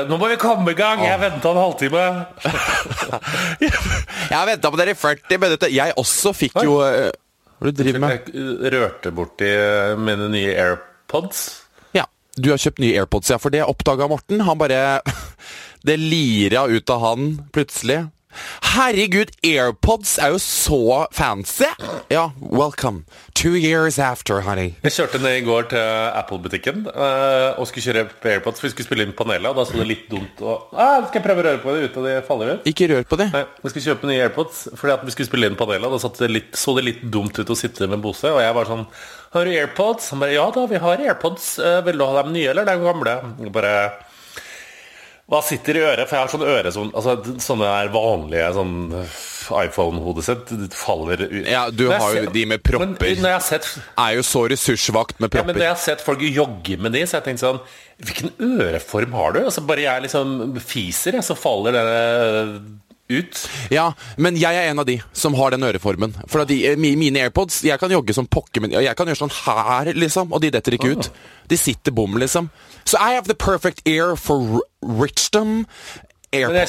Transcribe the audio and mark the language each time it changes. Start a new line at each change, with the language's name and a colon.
Norwegian: Nå må vi komme i gang, jeg ventet en halvtime. Jeg ventet på dere i 40 minutter. Jeg også fikk jo... Du driver med? Jeg rørte bort i mine nye AirPods. Ja, du har kjøpt nye AirPods, ja, for det oppdaget Morten. Han bare... Det lirer ut av han, plutselig. Herregud, AirPods er jo så fancy. Ja,
English: welcome. 2 years after, honey.
Norwegian: Jeg kjørte ned i går til Apple-butikken og skulle kjøre på AirPods, for vi skulle spille inn panelet, og da så det litt dumt. Og, skal jeg prøve å røre på det uten at det faller ut? Ikke rør på det. Nei, vi skulle kjøpe nye AirPods, fordi at vi skulle spille inn panelet, og da så det litt dumt ut å sitte med en bose, og jeg var sånn, har du AirPods? Han bare, ja da, vi har AirPods. Vil du ha dem nye, eller de gamle? Jeg bare... Hva sitter i øret? For jeg har sånne øret som, altså, sånne der vanlige sånn iPhone-hodesett, det faller ut. Ja, du har jo de med propper. Men når jeg har sett... Er jo så ressursvakt med propper. Ja, men når jeg har sett folk jogge med de, så jeg tenkte sånn, hvilken øreform har du? Altså, bare jeg liksom fiser, så faller det ut. Ja, men jeg en av de som har den øreformen. For at mine AirPods, jeg kan jogge som pokke, men jeg kan gjøre sånn her, liksom, og de detter ikke ut. De sitter bom, liksom.
English: Så so I have the perfect ear for Richdom AirPods.